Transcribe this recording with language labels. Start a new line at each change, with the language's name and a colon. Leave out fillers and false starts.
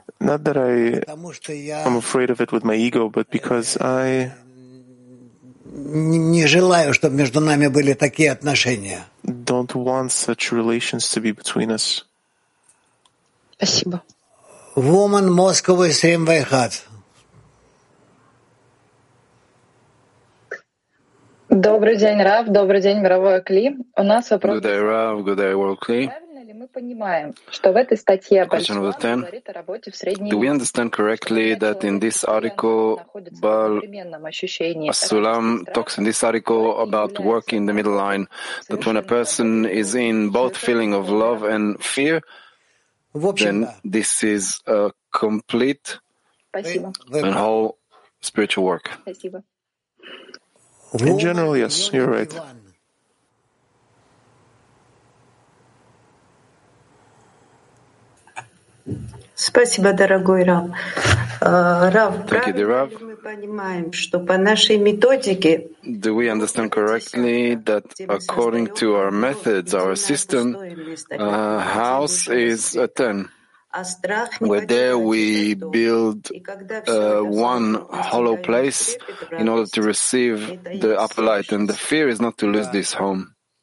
English: Not that I'm afraid of it with my ego, but because I
Russian: не желаю, чтобы между нами были такие отношения.
English: Don't want such relations to be between us.
Russian: Спасибо.
English: Woman, Moscow, 7-1.
Russian: Добрый день, Рав. Добрый день, мировой Кли. У нас вопрос.
English: Good day, Rav. Good day, World Kli. Question number 10. Do we understand correctly that in this article, Baal HaSulam talks in this article about work in the middle line, that when a person is in both feeling of love and fear, then this is a complete and whole spiritual work? In general, yes, you're right.
Russian: Спасибо, дорогой Рав. Рав, правильно ли мы понимаем, что по нашей методике?
English: Do we understand correctly that according to our methods, our system, a house is a 10, where there we build one hollow place in order to receive the upper light, and the fear is not to lose this home?